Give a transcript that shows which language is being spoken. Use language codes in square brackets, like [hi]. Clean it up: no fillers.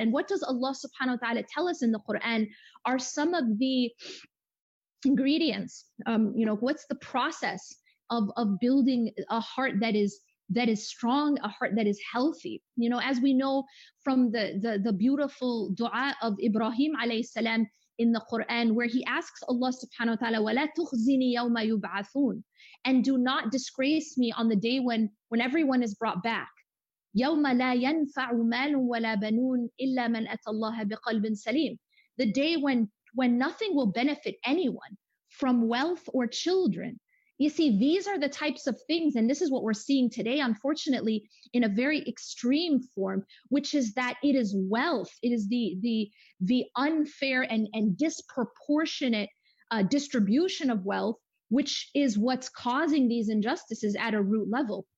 [en] And what does Allah subhanahu wa ta'ala tell us in the Quran are some of the ingredients, you know, what's the process of building a heart that is strong, a heart that is healthy. You know, as we know from the beautiful dua of Ibrahim alayhi salam in the Quran, where he asks Allah subhanahu wa ta'ala, [ar] وَلَا تُخْزِنِي يَوْمَ يُبْعَثُونَ, [en] and do not disgrace me on the day when everyone is brought back. [ar] يَوْمَ لَا يَنْفَعُ مَالٌ وَلَا بَنُونَ إِلَّا مَنْ أَتَى اللَّهَ بِقَلْبٍ سَلِيمٍ, [en] the day when nothing will benefit anyone from wealth or children, You see, these are the types of things, and this is what we're seeing today, unfortunately, in a very extreme form, which is that it is wealth. It is the unfair and disproportionate distribution of wealth, which is what's causing these injustices at a root level.